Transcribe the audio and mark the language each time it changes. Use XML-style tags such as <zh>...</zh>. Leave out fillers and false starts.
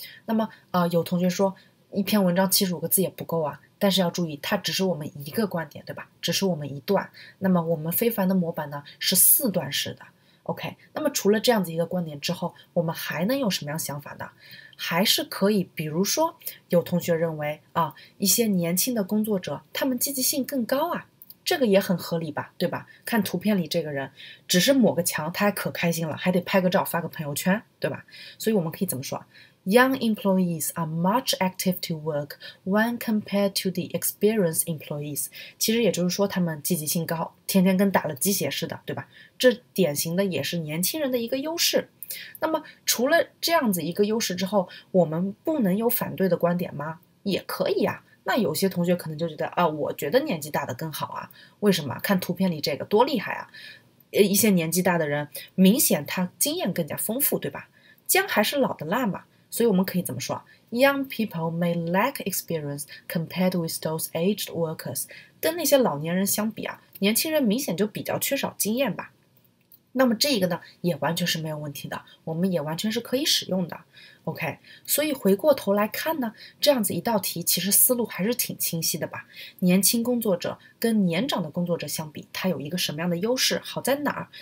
<zh>那么有同学说一篇文章75个字也不够啊但是要注意它只是我们一个观点对吧只是我们一段那么我们非凡的模板呢是四段式的OK, 那么除了这样子一个观点之后我们还能有什么样想法呢还是可以比如说有同学认为一些年轻的工作者他们积极性更高啊这个也很合理吧对吧看图片里这个人只是抹个墙他还可开心了还得拍个照发个朋友圈对吧所以我们可以怎么说</zh> <en>Young employees are much active to work when compared to the experienced employees.</en> <zh>其实也就是说他们积极性高，天天跟打了鸡血似的，对吧？这典型的也是年轻人的一个优势。那么除了这样子一个优势之后，我们不能有反对的观点吗？也可以啊。那有些同学可能就觉得啊，我觉得年纪大的更好啊。为什么？看图片里这个多厉害啊。一些年纪大的人明显他经验更加丰富，对吧？姜还是老的辣嘛。所以我们可以怎么说，</zh> <en>Young people may lack experience compared with those aged workers.</en> <zh>跟那些老年人相比啊，年轻人明显就比较缺少经验吧。那么这个呢也完全是没有问题的，我们也完全是可以使用的。 OK， 所以回过头来看呢，这样子一道题其实思路还是挺清晰的吧。年轻工作者跟年长的工作者相比，他有一个什么样的优势，好在哪儿？</zh>